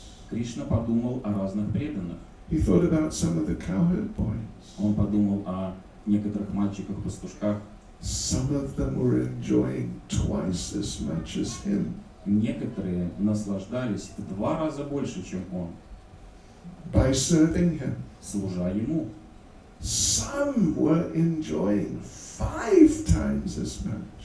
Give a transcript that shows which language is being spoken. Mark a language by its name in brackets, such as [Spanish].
[Russian] Кришна подумал о разных преданных. [English] He thought about some of the cowherd boys. [Russian] Он подумал о некоторых мальчиках-пастушках. [English] Some of them were enjoying twice as much as him. [Russian] Некоторые наслаждались в два раза больше, чем он. [English] By serving him. [Russian] Служа ему. [English] Some were enjoying five times as much.